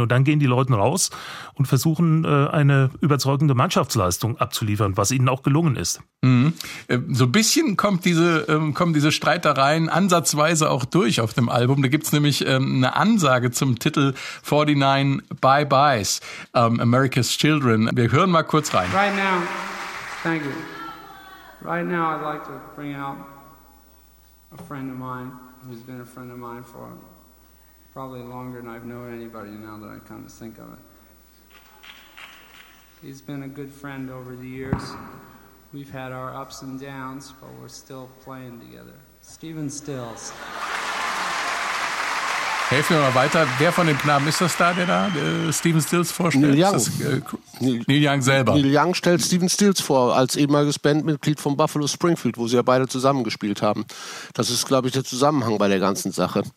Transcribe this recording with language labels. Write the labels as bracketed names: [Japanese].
[German] Und dann gehen die Leute raus und versuchen, eine überzeugende Mannschaftsleistung abzuliefern, was ihnen auch gelungen ist. Mhm. So ein bisschen kommen diese Streitereien ansatzweise auch durch auf dem Album. Da gibt es nämlich eine Ansage zum Titel 49 Bye-Byes, America's Children. Wir hören mal kurz rein. [English] Right now, thank you. Right now I'd like to bring out a friend of mine. Who's been a friend of mine for probably longer than I've known anybody now that I kind of think of it. He's been a good friend over the years. We've had our ups and downs, but we're still playing together. Stephen Stills. [German] Helf mir mal weiter. Wer von den Knaben ist das da, der da Stephen Stills vorstellt? Neil Young. Neil Young selber. Neil Young stellt Stephen Stills vor als ehemaliges Bandmitglied von Buffalo Springfield, wo sie ja beide zusammengespielt haben. Das ist, glaube ich, der Zusammenhang bei der ganzen Sache.